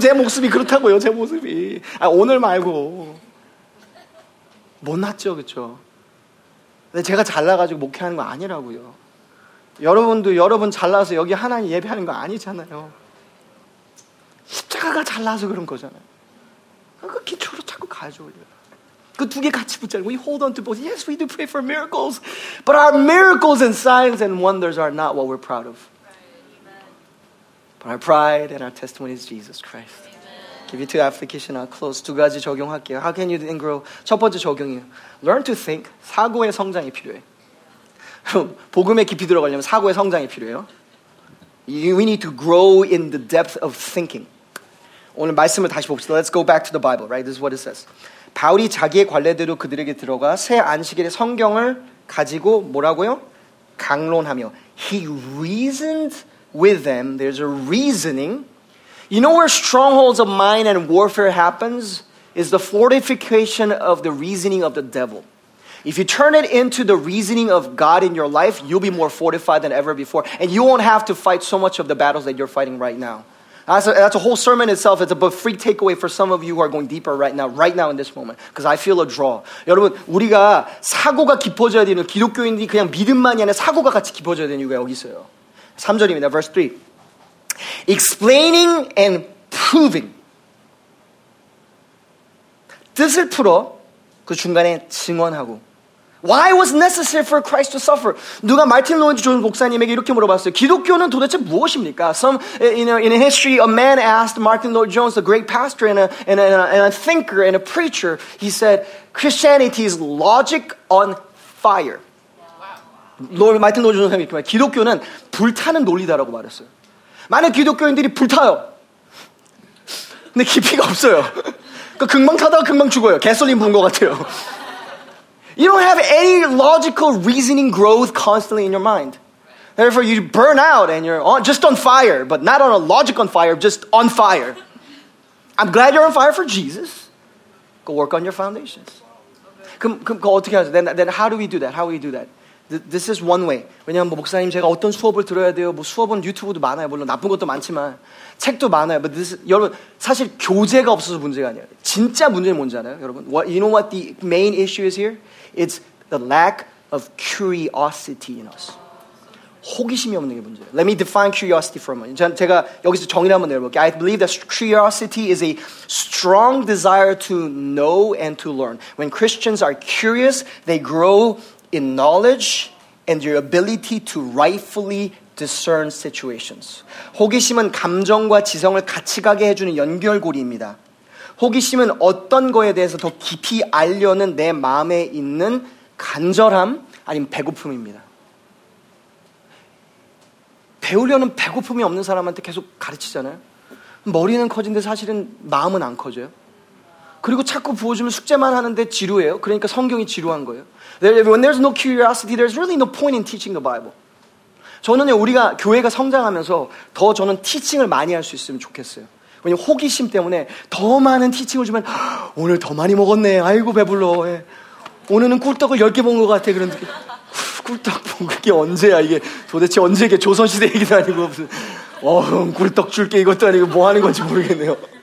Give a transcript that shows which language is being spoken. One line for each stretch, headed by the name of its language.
Korean: 제 모습이 그렇다고요, 제 모습이. 아, 오늘 말고. 못났죠, 그쵸? 근데 제가 잘나가지고 목회하는 거 아니라고요. 여러분도 여러분 잘나서 여기 하나님 예배하는 거 아니잖아요. 십자가가 잘나서 그런 거잖아요. 그 기초로 자꾸 가야죠, 우리. 그 두 개 같이 붙잡고
English: we hold on to both. Yes, we do pray for miracles. But our miracles and signs and wonders are not what we're proud of. Our pride and our testimony is Jesus Christ. Amen. Give you two applications. I'll close.
Korean: 두 가지 적용할게요.
English: How can you then grow?
Korean: 첫 번째 적용이에요.
English: Learn to think.
Korean: 사고의 성장이 필요해. 복음에 깊이 들어가려면 사고의 성장이 필요해요.
English: We need to grow in the depth of thinking.
Korean: 오늘 말씀을 다시 봅시다.
English: Let's go back to the Bible, right? This is what it says.
Korean: 바울이 자기의 관례대로 그들에게 들어가 새 안식일의 성경을 가지고 뭐라고요? 강론하며.
English: He reasoned with them, there's a reasoning. You know where strongholds of mind and warfare happens? Is the fortification of the reasoning of the devil. If you turn it into the reasoning of God in your life, you'll be more fortified than ever before. And you won't have to fight so much of the battles that you're fighting right now. That's a whole sermon itself. It's a free takeaway for some of you who are going deeper right now in this moment. Because I feel a draw.
Korean: 여러분, 우리가 사고가 깊어져야 되는 기독교인들이 그냥 믿음만이 아니라 사고가 같이 깊어져야 되는 이유가 여기 있어요. 3절입니다.
English: Verse 3. Explaining and proving.
Korean: 뜻을 풀어 그 중간에 증언하고.
English: Why was necessary for Christ to suffer?
Korean: 누가 마틴 로이드 존 목사님에게 이렇게 물어봤어요. 기독교는 도대체 무엇입니까?
English: Some, you know, in history, a man asked Martin Lloyd Jones, a great pastor and a thinker and a preacher. He said, "Christianity is logic on fire." Wow.
Korean: 마틴 로이드 존 목사님이 말해, 기독교는 불타는 논리다라고 말했어요. 많은 기독교인들이 불타요. 근데 깊이가 없어요. 그 금방 타다가 금방 죽어요. 개솔린 부은 것 같아요.
English: You don't have any logical reasoning growth constantly in your mind. Therefore, you burn out and you're on, just on fire, but not on a logic on fire, just on fire. I'm glad you're on fire for Jesus. Go work on your foundations. Then how do we do that? How do we do that? This is one way.
Korean: 왜냐면 뭐 목사님 제가 어떤 수업을 들어야 돼요? 뭐 수업은 유튜브도 많아요. 물론 나쁜 것도 많지만 책도 많아요.
English: But this is,
Korean: 여러분 사실 교재가 없어서 문제가 아니에요. 진짜 문제는 뭔지 알아요, 여러분?
English: What, you know what the main issue is here? It's the lack of curiosity in us.
Korean: 호기심이 없는 게 문제예요.
English: Let me define curiosity for a moment.
Korean: 제가 여기서 정의를 한번 내려볼게요.
English: I believe that curiosity is a strong desire to know and to learn. When Christians are curious, they grow in knowledge and your ability to rightfully discern situations.
Korean: 호기심은 감정과 지성을 같이 가게 해주는 연결고리입니다. 호기심은 어떤 거에 대해서 더 깊이 알려는 내 마음에 있는 간절함 아니면 배고픔입니다. 배우려는 배고픔이 없는 사람한테 계속 가르치잖아요. 머리는 커진데 사실은 마음은 안 커져요. 그리고 자꾸 부어주면 숙제만 하는데 지루해요. 그러니까 성경이 지루한 거예요.
English: When there's no curiosity, there's really no point in teaching the Bible.
Korean: 저는요, 우리가 교회가 성장하면서 더 저는 티칭을 많이 할 수 있으면 좋겠어요. 왜냐면 호기심 때문에 더 많은 티칭을 주면 오늘 더 많이 먹었네. 아이고 배불러. 오늘은 꿀떡을 10개 먹은 것 같아. 그런 느낌. 꿀떡 먹은 게 언제야. 이게 도대체 언제게 조선시대 얘기도 아니고 무슨 꿀떡 줄게 이것도 아니고 뭐 하는 건지 모르겠네요.